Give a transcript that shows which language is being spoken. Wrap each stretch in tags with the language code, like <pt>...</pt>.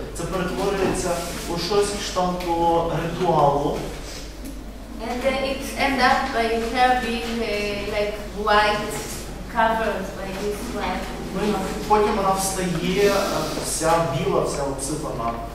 <uk>Це перетворюється у щось кшталту ритуалу.</uk> <en>And it end up by her being like white covered by this one.</en> <uk>Ну, потім вона встає вся біла, вся обсипана.</uk>